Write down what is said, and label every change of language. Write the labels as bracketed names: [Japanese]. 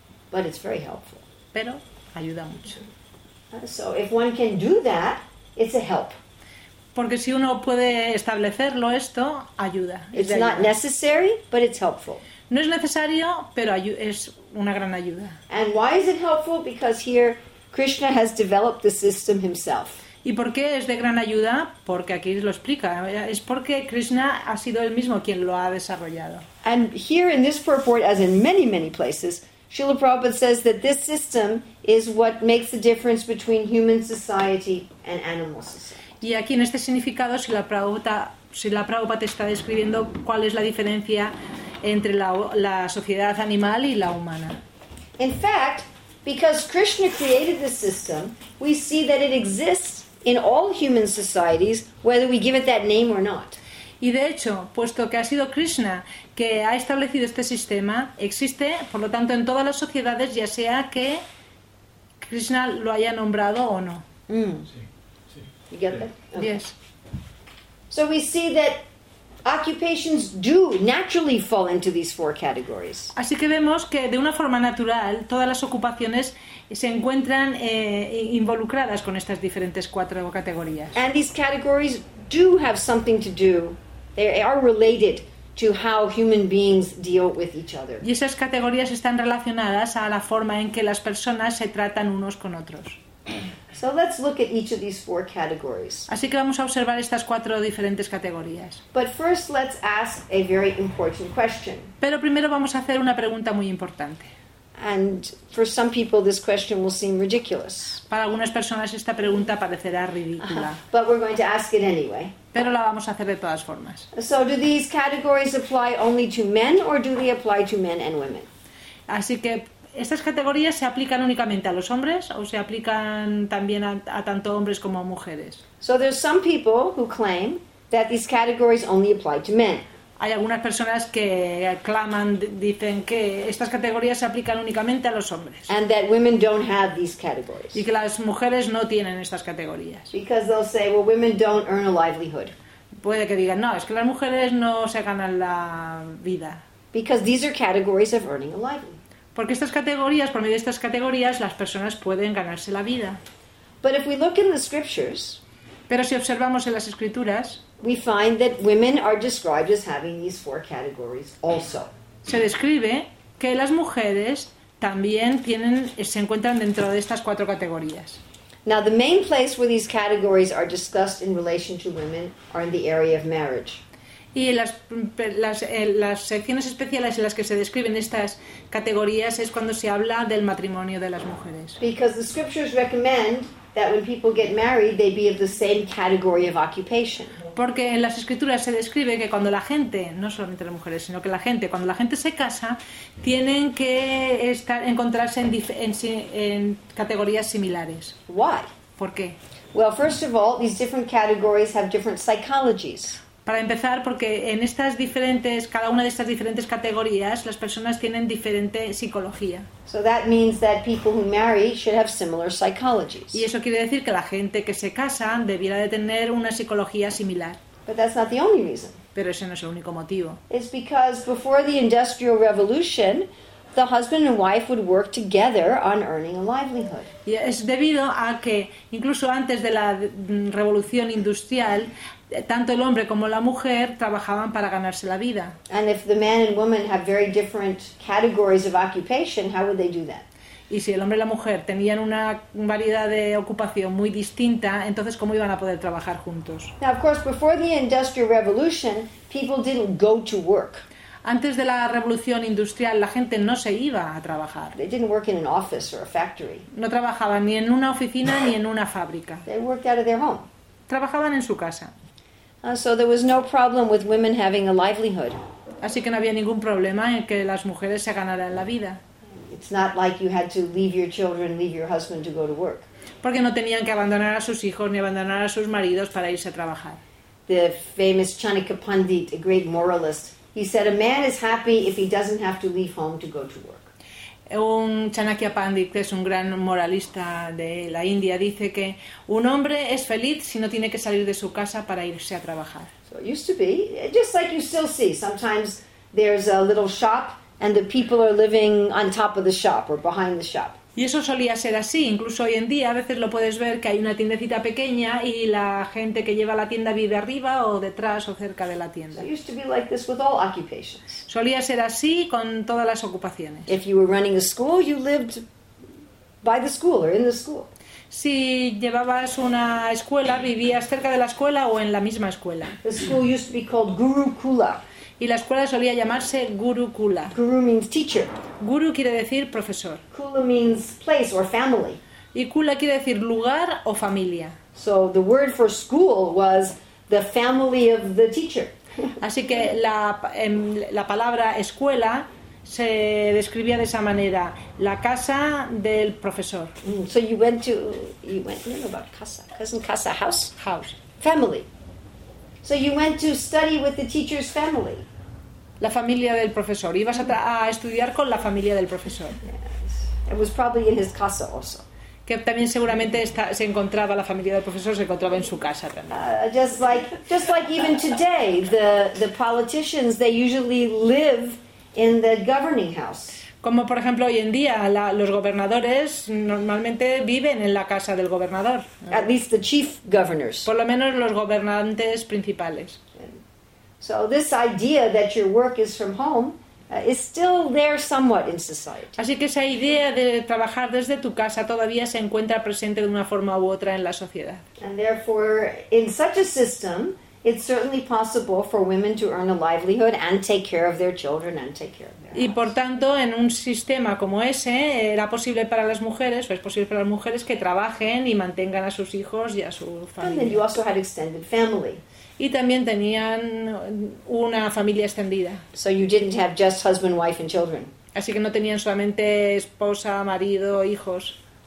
[English] But it's very helpful. [Spanish] Pero ayuda mucho. [English] So if one can do that, it's a help. [Spanish] Porque si uno puede establecerlo esto, ayuda. [English] It's not necessary, but it's helpful. [Spanish] No es necesario, pero es una gran ayuda. [English] And why is it helpful? Because here Krishna has developed the system himself. [Spanish] ¿Y por qué es de gran ayuda? Porque aquí lo explica. Es porque Krishna ha sido él mismo quien lo ha desarrollado. [English] And here in this purport, as in many, many places, Srila Prabhupada says that this system is what makes the difference between human society and animal society. [Spanish] Y aquí en este significado, Srila Prabhupada está describiendo cuál es la diferencia entre la sociedad animal y la humana. [English] In fact, because Krishna created this system, we see that it exists in all human societies, whether we give it that name or not. [Spanish] Y de hecho, puesto que ha sido Krishna que ha establecido este sistema, existe, por lo tanto, en todas las sociedades, ya sea que Krishna lo haya nombrado o no. Sí. [English] You get that? Okay. Yes. So we see that occupations do naturally fall into these four categories. [Spanish] Así que vemos que de una forma natural todas las ocupaciones se encuentran involucradas con estas diferentes cuatro categorías. [English] And these categories do have something to do. They are related to how human beings deal with each other. [Spanish] Y esas categorías están relacionadas a la forma en que las personas se tratan unos con otros. [English] So let's look at each of these four categories. [Spanish] Así que vamos a observar estas cuatro diferentes categorías. [English] But first let's ask a very important question. [Spanish] Pero primero vamos a hacer una pregunta muy importante. [English] And for some people this question will seem ridiculous. [Spanish] Para algunas personas esta pregunta parecerá ridícula. [English] But we're going to ask it anyway. [Spanish] Pero la vamos a hacer de todas formas. [English] So do these categories apply only to men or do they apply to men and women? [Spanish] Así que ¿estas categorías se aplican únicamente a los hombres o se aplican también a tanto hombres como a mujeres? [English] So there's some people who claim that these categories only apply to men. [Spanish] Hay algunas personas que claman, dicen que estas categorías se aplican únicamente a los hombres. [English] And that women don't have these categories. [Spanish] Y que las mujeres no tienen estas categorías. [English] Because they'll say, well, women don't earn a livelihood. [Spanish] Puede que digan, no, es que las mujeres no se ganan la vida. [English] Because these are categories of earning a livelihood. [Spanish] Porque estas categorías, por medio de estas categorías, las personas pueden ganarse la vida. [English] But if we look in the scriptures, [Spanish] pero si observamos en las escrituras, [English] we find that women are described as having these four categories also. [Spanish] Se describe que las mujeres también tienen, se encuentran dentro de estas cuatro categorías. [English] Now the main place where these categories are discussed in relation to women are in the area of marriage. [Spanish] Y las secciones especiales en las que se describen estas categorías es cuando se habla del matrimonio de las mujeres. [English] Because the scriptures recommend that when people get married they be of the same category of occupation. [Spanish] Porque en las escrituras se describe que cuando la gente, no solamente las mujeres, sino que cuando la gente se casa, tienen que encontrarse en categorías similares. [English] Why? [Spanish] ¿Por qué? [English] Well, first of all, these different categories have different psychologies. [Spanish] Para empezar, porque en estas diferentes, cada una de estas diferentes categorías, las personas tienen diferente psicología. [English] So that means that people who marry should have similar psychologies. [Spanish] Y eso quiere decir que la gente que se casa debiera de tener una psicología similar. [English] But that's not the only reason. [Spanish] Pero ese no es el único motivo. [English] It's because before the Industrial Revolution, the husband and wife would work together on earning a livelihood. [Spanish] Y es debido a que incluso antes de la revolución industrial, tanto el hombre como la mujer trabajaban para ganarse la vida. [English] And if the man and woman have very different categories of occupation, how would they do that? [Spanish] Y si el hombre y la mujer tenían una variedad de ocupación muy distinta, entonces ¿cómo iban a poder trabajar juntos? [English] Now, of course, before the Industrial Revolution, people didn't go to work. [Spanish] Antes de la revolución industrial, la gente no se iba a trabajar. [English] They didn't work in an office or a factory. [Spanish] No trabajaban ni en una oficina ni en una fábrica. [English] They worked out of their home. [Spanish] Trabajaban en su casa. [English] So there was no problem with women having a livelihood. [Spanish] Así que no había ningún problema en que las mujeres se ganaran la vida. [English] It's not like you had to leave your children, leave your husband to go to work. [Spanish] Porque no tenían que abandonar a sus hijos ni abandonar a sus maridos para irse a trabajar. [English] The famous Chanakya Pandit, a great moralist, he said a man is happy if he doesn't have to leave home to go to work. [Spanish] Un Chanakya Pandit, que es un gran moralista de la India, dice que un hombre es feliz si no tiene que salir de su casa para irse a trabajar. [English] So it used to be, just like you still see, sometimes there's a little shop and the people are living on top of the shop or behind the shop. [Spanish] Y eso solía ser así, incluso hoy en día a veces lo puedes ver que hay una tiendecita pequeña y la gente que lleva la tienda vive arriba o detrás o cerca de la tienda. [English] So it used to be like this with all occupations. [Spanish] Solía ser así con todas las ocupaciones. [English] If you were running a school, you lived by the school or in the school. [Spanish] Si llevabas una escuela, vivías cerca de la escuela o en la misma escuela. [English] The school used to be called Gurukula. [Spanish] Y la escuela solía llamarse Gurukula. [English] Guru means teacher. [Spanish] Guru quiere decir profesor. [English] Kula means place or family. [Spanish] Y kula quiere decir lugar o familia. [English] So the word for school was the family of the teacher. [Spanish] Así que la palabra escuela se describía de esa manera, la casa del profesor. [English] So you went, you know about casa, cousin casa, house, family. So you went to study with the teacher's family. [Spanish] La familia del profesor. Ibas a estudiar con la familia del profesor. [English] Yes. It was probably in his casa also. [Spanish] Que también seguramente se encontraba la familia del profesor, se encontraba en su casa también. [English] Just like even today, the politicians, they usually live in the governing house. [Spanish] Como por ejemplo hoy en día, los gobernadores normalmente viven en la casa del gobernador. [English] At least the chief governors. [Spanish] Por lo menos los gobernantes principales. [English] So this idea that your work is from home is still there somewhat in society. [Spanish] Así que esa idea de trabajar desde tu casa todavía se encuentra presente de una forma u otra en la sociedad. [English] And therefore, in such a system, it's certainly possible for women to earn a livelihood and take care of their children and take care of their [Spanish] Y por tanto, en un sistema como ese, era posible para las mujeres, o es posible para las mujeres, que trabajen y mantengan a sus hijos y a su familia. [English] And then you also had extended family. [Spanish] Y también tenían una familia extendida. [English] So you didn't have just husband, wife and children. [Spanish] Así que no tenían solamente esposa, marido, hijos.